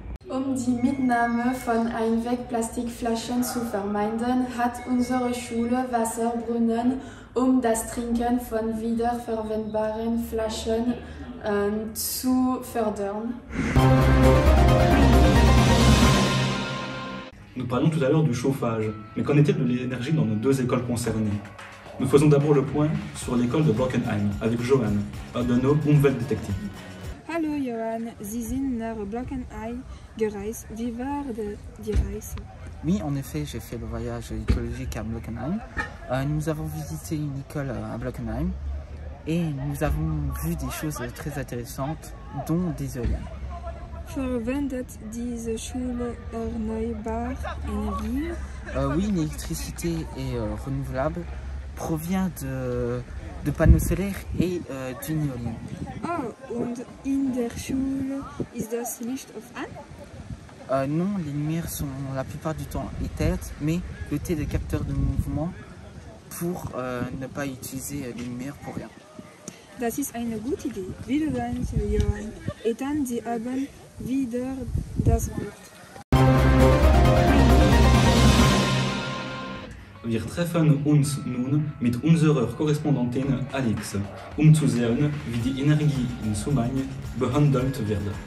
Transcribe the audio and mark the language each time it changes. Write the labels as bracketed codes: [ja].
[de] Um die Mitnahme von Einwegplastikflaschen zu vermeiden, hat unsere Schule Wasserbrunnen, um das Trinken von wiederverwendbaren Flaschen zu fördern. [fr] Nous parlons tout à l'heure du chauffage, mais qu'en est-il de l'énergie dans nos deux écoles concernées? Nous faisons d'abord le point sur l'école de Blockenheim avec Johan, un de nos Umweltdetektive. [de] Hallo Johan, Sie sind nach Blockenheim gereist. Wie war die Reise? [fr] Oui, en effet, j'ai fait le voyage écologique à Blockenheim. Nous avons visité une école à Blockenheim et nous avons vu des choses très intéressantes, dont des éoliennes. [de] Verwendet diese Schule erneuerbare Energie? [fr] Oui, l'électricité est renouvelable, provient de panneaux solaires et d'une éolienne. [de] Oh, und in der Schule ist das Licht auf an? [fr] Non, les lumières sont la plupart du temps éteintes, mais dotées de capteurs de mouvement pour ne pas utiliser les lumières pour rien. [de] Das ist eine gute Idee. Vielen Dank, Johan. [fr] Et [de] dann, Sie haben wieder das Wort. Wir treffen uns nun mit unserer Korrespondentin Alix, zu sehen, wie die Energie in Sumaing behandelt wird.